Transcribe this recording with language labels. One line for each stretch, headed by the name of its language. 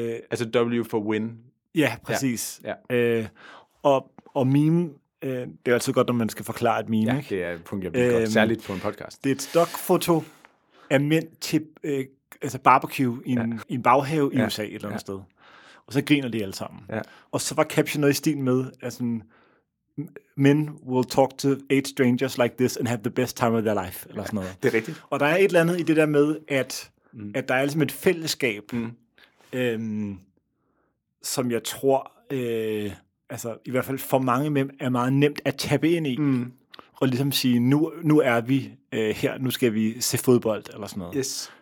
Danish: Altså W for win. Ja, præcis. Ja. Og meme, det er altid godt, når man skal forklare et meme. Ja, det er et punkt, jeg vil godt, særligt på en podcast. Det er et stockfoto af mænd til altså barbecue i en baghave i USA et eller andet sted. Og så griner de alle sammen. Ja. Og så var captionet i stil med, altså
English: men will talk to eight strangers like this and have the best time of their life,
Danish: eller sådan noget. Det er rigtigt. Og der er et eller andet i det der med, at, at der er ligesom et fællesskab, som jeg tror, altså i hvert fald for mange mænd, er meget nemt at tabe ind i, og ligesom sige, nu er vi her, nu skal vi se fodbold, eller sådan noget.